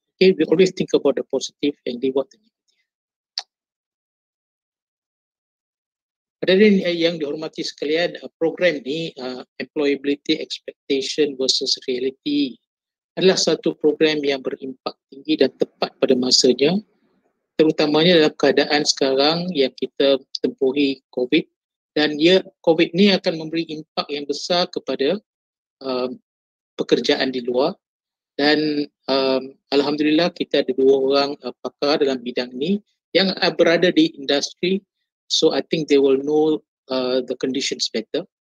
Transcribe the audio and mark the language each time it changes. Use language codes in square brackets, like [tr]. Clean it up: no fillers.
[en] Okay, we always think about the positive and leave out the negative. [ms] Hadirin yang dihormati sekalian, program ni Employability Expectation versus Reality adalah satu program yang berimpak tinggi dan tepat pada masanya, terutamanya dalam keadaan sekarang yang kita tempuhi COVID. Dan ya, COVID ni akan memberi impak yang besar kepada pekerjaan di luar. Dan Alhamdulillah, kita ada dua orang pakar dalam bidang ni yang berada di industri. [en] So I think they will know the conditions better.